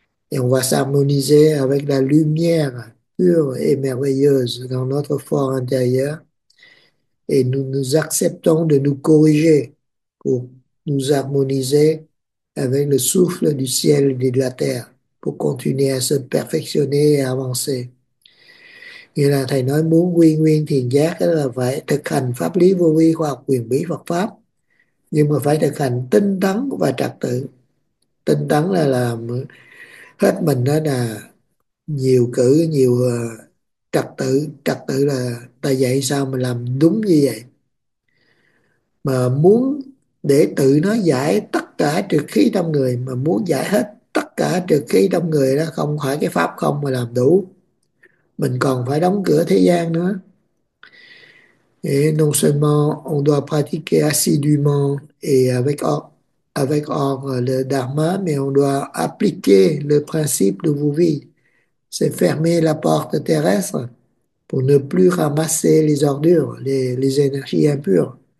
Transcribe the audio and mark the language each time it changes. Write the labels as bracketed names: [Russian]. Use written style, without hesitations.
[French] Et on va s'harmoniser avec la lumière pure et merveilleuse dans notre fort intérieur, et nous nous acceptons de nous corriger pour nous harmoniser avec le souffle du ciel et de la terre pour continuer à se perfectionner et avancer. [Vietnamese] Như là thầy nói muốn quy nguyên thiền giác đó là phải thực hành pháp lý vô vi, khoa học quyền bí, Phật pháp, nhưng mà phải thực hành tinh tấn và trật tự. Tinh tấn là làm hết mình đó, là nhiều cử nhiều, trật tự. Trật tự là ta dạy sao mà làm đúng như vậy, mà muốn để tự nó giải tất cả trược khí trong người, mà muốn giải hết tất cả trược khí trong người đó, không phải cái pháp không mà làm đủ, mình còn phải đóng cửa thế gian nữa. [French] Et non seulement on doit pratiquer assidûment et avec ordre le dharma, mais on doit appliquer le principe de vous vivre. C'est fermer la porte terrestre pour ne plus ramasser les ordures, les énergies impures.